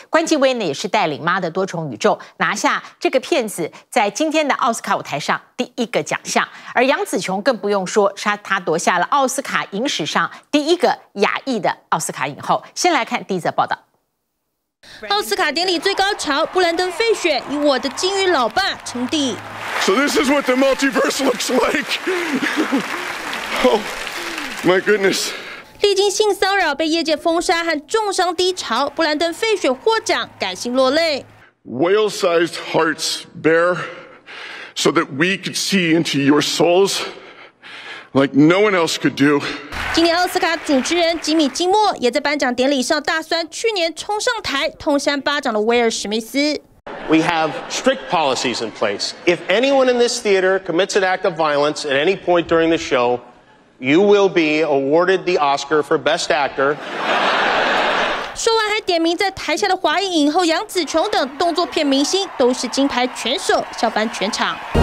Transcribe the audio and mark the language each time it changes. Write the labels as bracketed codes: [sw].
[zh] 关继威呢也是带领《妈的多重宇宙》拿下这个片子在今天的奥斯卡舞台上第一个奖项。而杨紫琼更不用说，她夺下了奥斯卡影史上第一个亚裔的奥斯卡影后。先来看第一则报道。奥斯卡典礼最高潮，布兰登·费雪以《我的金鱼老爸》称帝。 [en] So this is what the multiverse looks like. Oh, my goodness. [zh] 历经性骚扰、被业界封杀和重伤低潮，布兰登·费雪获奖，感性落泪。 [en] Whale-sized hearts bear, so that we could see into your souls, like no one else could do. [zh] 今年奥斯卡主持人吉米·金默也在颁奖典礼上大酸去年冲上台痛扇巴掌的威尔·史密斯。 [en] We have strict policies in place. If anyone in this theater commits an act of violence at any point during the show, you will be awarded the Oscar for Best Actor. [zh] 说完还点名在台下的华裔影后杨紫琼等动作片明星都是金牌拳手，笑翻全场。